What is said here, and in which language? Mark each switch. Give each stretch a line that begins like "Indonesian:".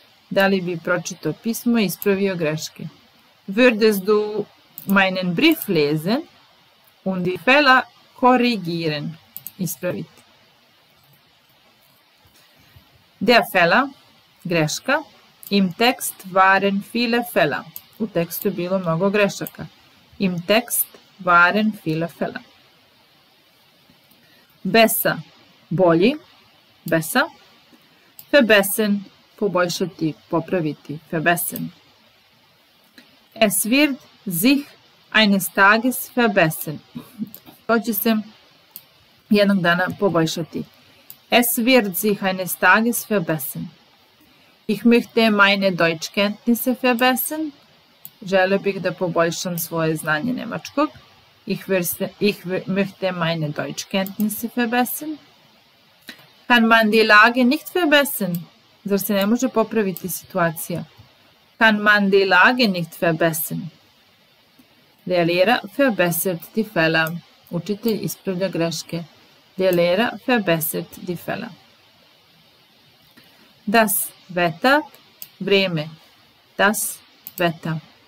Serbian: Da li bi pročito pismo i ispravio greške?
German: Würdest du meinen Brief lesen und die Fehler korrigieren?
Serbian: Ispraviti.
German: Der Fehler,
Serbian: greška,
German: im Text waren viele Fehler.
Serbian: U tekstu je bilo mnogo grešaka.
German: Im Text waren viele Fehler. Besser.
Serbian: Bolji,
German: besser, verbessern,
Serbian: poboljšati, popraviti,
German: verbessern. Es wird sich eines Tages verbessern.
Serbian: To će se jednog dana poboljšati.
German: Es wird sich eines Tages verbessern. Ich möchte meine Deutschkenntnisse verbessern.
Serbian: Želio bih da poboljšam svoje znanje nemačkog.
German: Ich möchte meine Deutschkenntnisse verbessern. Kann man die Lage nicht verbessern?
Serbian: Zar se ne može popraviti situacija?
German: Kann man die Lage nicht verbessern? Der Lehrer verbessert die Fehler.
Serbian: Učitelj ispravlja greške.
German: Lehrer verbessert die Fälle. Das Wetter,
Serbian: Vreme.
German: Das Wetter.